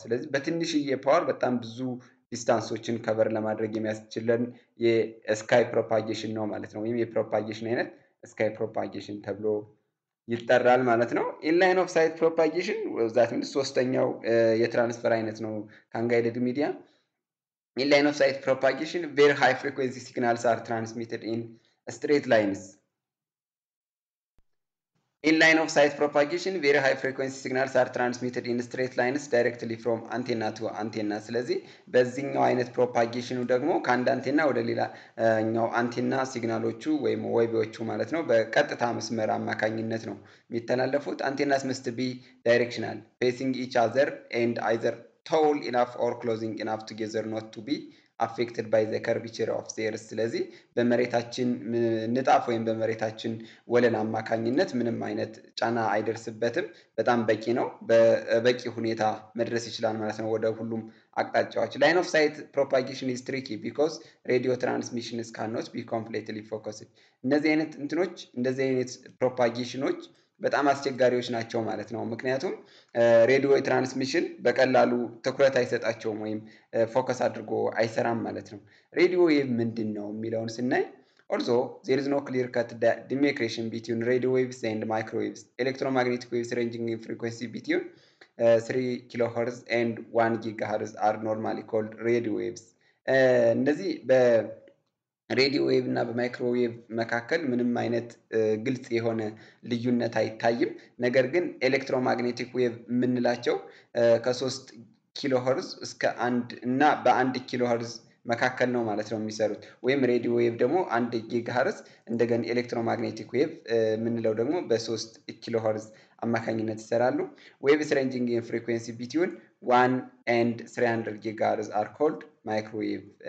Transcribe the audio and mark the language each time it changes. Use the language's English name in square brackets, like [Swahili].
[Amharic] ስለዚህ በትንሽዬ ፓወር በጣም ብዙ ዲስታንሶችን ከቨር ለማድረግ የሚያስችልን የስካይ ፕሮፓጌሽን ነው ማለት ነው። ወይም የፕሮፓጌሽን አይነት ስካይ ፕሮፓጌሽን ተብሎ ይጠራል ማለት ነው። [English] in line of sight propagation that means ሶስተኛው የትራንስፈር አይነት ነው ከአንጋይድድ ሚዲያ። in line of sight propagation where high frequency signals are transmitted in straight lines. in line of sight propagation very high frequency signals are transmitted in straight lines directly from antenna to antenna. [Amharic] ስለዚህ በዚህኛው አይነት propagationው ደግሞ ከአንድ አንቴና ወደ ሌላኛው አንቴና ሲግናሎቹ ወይም ወይቢዎቹ ማለት ነው በቀጥታ መስመር አማካኝነት ነው የሚተላለፉት። [English] antennas must be directional facing each other and either tall enough or closing enough together not to be affected by the curvature of the earth. [Amharic] ስለዚህ በመሬታችን ንጣፍ ወይም በመሬታችን ወለል አማካኝነት ምንም አይነት ጫና አይደርስበትም። በጣም በቂ ነው። በበቂ ሁኔታ መድረስ ይችላል ማለት ነው ወደ ሁሉም አቅጣጫዎች። [English] line of sight propagation is tricky because radio transmission is cannot be completely focused. [Amharic] እነዚህ አይነት እንትኖች እንደዚህ አይነት propagationዎች በጣም አስቸጋሪዎች ናቸው ማለት ነው። ምክንያቱም ሬዲዮ ትራንስሚሽን በቀላሉ ትኩረት አይሰጣቸውም ወይም ፎከስ አድርጎ አይሰራም ማለት ነው። ሬዲዮ ዌቭ ምንድነው የሚለውን ስናይ [English] also there is no clear cut demarcation between radio waves and microwaves. electromagnetic waves ranging in frequency between 3 kHz and 1 GHz are normally called radio waves. [Amharic] እነዚህ በ ሬዲዮ ዌቭ እና በማይክሮዌቭ መካከል ምንም አይነት ግልጽ የሆነ ልዩነት አይታይም። ነገር ግን ኤሌክትሮማግኔቲክ ዌቭ ምንላቸው ከ3 ኪሎ ሄርዝ እስከ 1 እና በ1 ኪሎ ሄርዝ መካከል ነው ማለት ነው የሚሰሩት። ወይም ሬዲዮ ዌቭ ደግሞ 1 ጊጋ ሄርዝ እንደገና ኤሌክትሮማግኔቲክ ዌቭ ምንለው ደግሞ በ3 ኪሎ ሄርዝ አማካኝነት ይሰራሉ። [English] ዌቭስ ሬንጂንግ ኢን ፍሪኩዌንሲ ቢትዊን 1 and 300 ጊጋ ሄርዝ አር ኮልድ ማይክሮዌቭ።